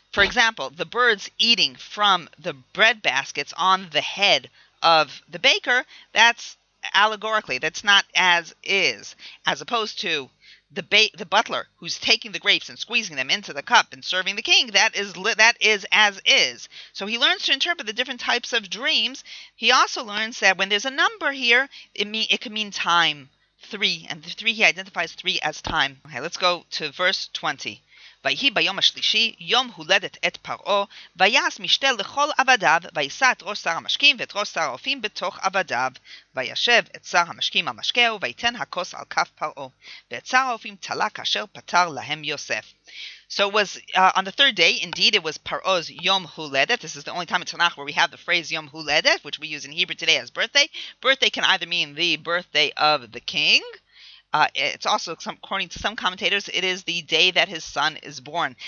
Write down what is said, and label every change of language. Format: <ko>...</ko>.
<en>For example, the birds eating from the bread baskets on the head of the baker, that's allegorically, that's not as is, as opposed to the butler who's taking the grapes and squeezing them into the cup and serving the king, that is as is. So he learns to interpret the different types of dreams. He also learns that when there's a number here, it can mean time, 3. And the 3, he identifies 3 as time. Okay, let's go to verse 20.</en> <he>ויהי ביום השלישי, יום הולדת את פרעה, ויעס משתה לכל עבדיו, ויישא את ראש שר המשקים ואת ראש שר האופים בתוך עבדיו, וישב את שר המשקים על משקהו, ויתן הכוס על כף פרעה, ואת שר האופים תלה כאשר פטר להם יוסף.</he> <en>So it was on the third day, indeed it was Paro's Yom Huledet. This is the only time in Tanakh where we have the phrase Yom Huledet, which we use in Hebrew today as birthday. Birthday can either mean the birthday of the king. It's also, according to some commentators, it is the day that his son is born.</en>